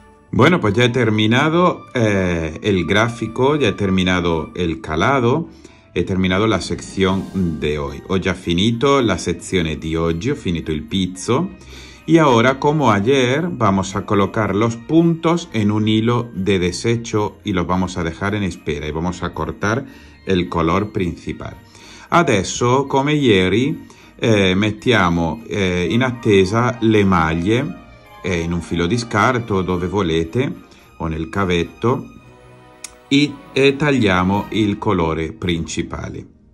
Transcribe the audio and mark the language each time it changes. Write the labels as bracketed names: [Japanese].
[Spanish] Bueno, pues ya he terminado el gráfico, ya he terminado el calado, he terminado la sección de hoy. [Italian] Ho già finito la sezione di oggi, ho finito il pizzo. [Spanish] Y ahora, como ayer, vamos a colocar los puntos en un hilo de desecho y los vamos a dejar en espera y vamos a cortar el color principal. [Italian] Adesso, come ieri, mettiamo in attesa le maglie in un filo di scarto, dove volete, o nel cavetto, e tagliamo il colore principale.